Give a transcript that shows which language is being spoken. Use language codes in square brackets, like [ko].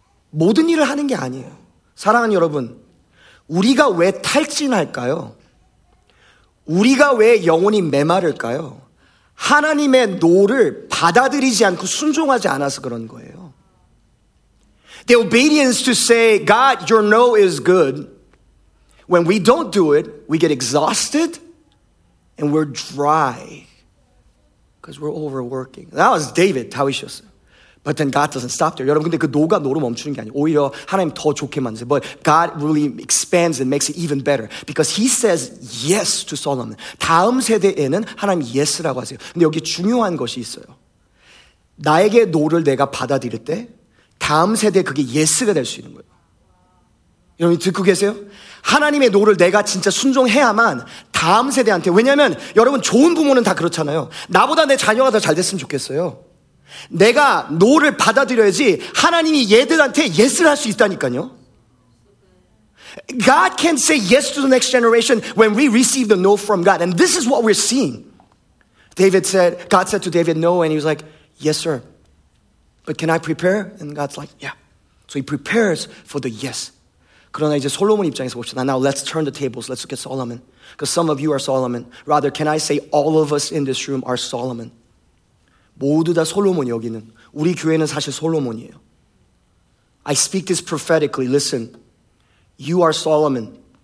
[ko] 모든 일을 하는 게 아니에요. 사랑하는 여러분, 우리가 왜 탈진할까요? 우리가 왜 영혼이 메마를까요? 하나님의 노를 받아들이지 않고 순종하지 않아서 그런 거예요. [en] The obedience to say, God, your no is good. When we don't do it, we get exhausted and we're dry because we're overworking. That was David, [ko] 다윗이었어요. [en] But then God doesn't stop there. [ko] 여러분, 근데 그 노가 노로 멈추는 게 아니에요. 오히려 하나님 더 좋게 만드세요. [en] But God really expands and makes it even better. Because he says yes to Solomon. [ko] 다음 세대에는 하나님 yes라고 하세요. 근데 여기 중요한 것이 있어요. 나에게 노를 내가 받아들일 때 다음 세대에 그게 yes가 될 수 있는 거예요. 여러분, 듣고 계세요? 하나님의 노를 내가 진짜 순종해야만 다음 세대한테, 왜냐하면 여러분 좋은 부모는 다 그렇잖아요. 나보다 내 자녀가 더 잘 됐으면 좋겠어요. 내가 노를 받아들여야지 하나님이 얘들한테 yes를 할 수 있다니까요. [en] God can say yes to the next generation when we receive the no from God. And this is what we're seeing. David said, God said to David no, and he was like, yes sir, but can I prepare? And God's like, yeah. So he prepares for the yes. [ko] 그러나 이제 솔로몬 입장에서 봅시다. [en] Now let's turn the tables. Let's look at Solomon. Because some of you are Solomon. Rather, can I say all of us in this room are Solomon. [ko] 모두 다 솔로몬, 여기는. 우리 교회는 사실 솔로몬이에요. [en] I speak this prophetically. Listen, you are Solomon.